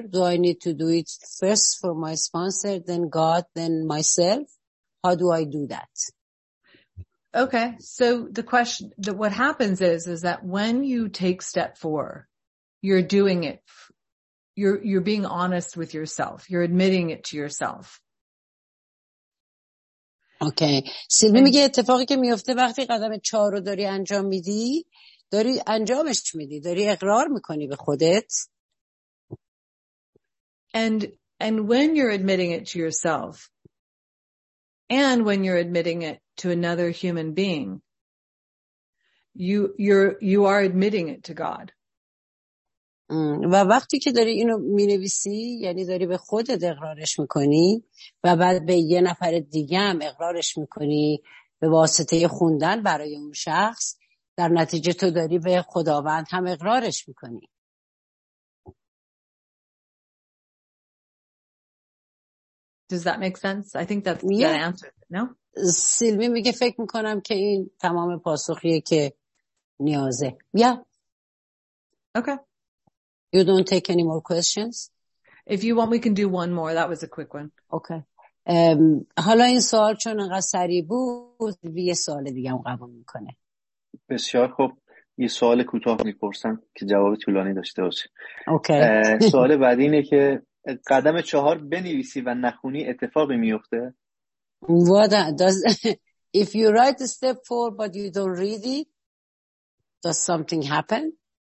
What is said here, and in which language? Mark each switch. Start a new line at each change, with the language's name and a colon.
English: Do I need to do it first for my sponsor, then God, then myself? How do I do that? Okay, so the question that what happens is that when you take step 4, you're doing it, you're being honest with yourself. You're admitting it to yourself. Okay.
Persian: سیلوی میگه اتفاقی که میفته وقتی قدم 4 رو داری انجام میدی داری انجامش میدی داری اقرار میکنی به خودت
English: and when you're admitting it to yourself and when you're admitting it to another human being you are admitting it to God.
Persian: و وقتی که داری اینو مینویسی یعنی داری به خودت اقرارش میکنی و بعد به یه نفر دیگه هم اقرارش میکنی به واسطه خوندن برای اون شخص در نتیجه تو داری به خداوند هم اقرارش میکنی.
English: Does that make sense? I think that's the answer. No?
Persian: سیلوی میگه فکر میکنم که این تمام پاسخیه که نیازه.
English: Yeah. Okay. You don't take any more questions? If you want, we can do one more. That was a quick one. Okay.
Persian: حالا این سوال چون انقدر سریع بود یه سوال دیگه هم قبول میکنه. بسیار خوب، یه سوال کوتاه میپرسم که جواب طولانی داشته باشه. اوکی. سوال بعدی اینه که قدم 4 بنویسی و نخونی اتفاقی میفته؟
English: If you write step 4 but you don't read it, does something happen?